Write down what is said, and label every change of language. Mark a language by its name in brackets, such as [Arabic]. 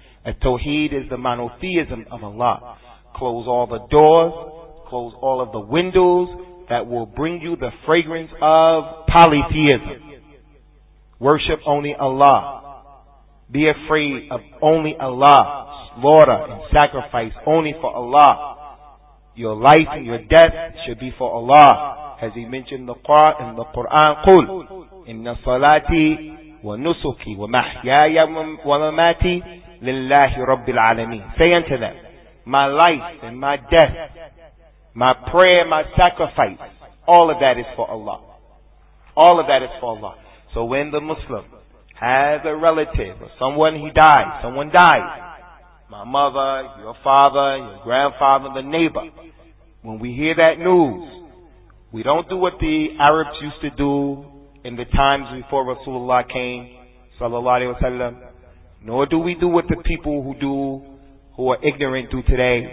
[English] Al-Tawheed is the monotheism of Allah. Close all the doors, close all of the windows that will bring you the fragrance of polytheism. Worship only Allah. Be afraid of only Allah. Slaughter and sacrifice only for Allah. Your life and your death should be for Allah. As He mentioned in the Quran, [Arabic] قُلْ إِنَّ صَلَاتِي وَنُسُكِي وَمَحْيَايَ وَمَمَاتِي لِلَّهِ رَبِّ الْعَالَمِينَ. [English] Say unto them, my life and my death, my prayer, my sacrifice, all of that is for Allah. All of that is for Allah. So when the Muslim has a relative or someone he died, someone dies, my mother, your father, your grandfather, the neighbor, when we hear that news, we don't do what the Arabs used to do in the times before Rasulullah came, sallallahu alayhi wa sallam, nor do we do what the people who do, who are ignorant do today.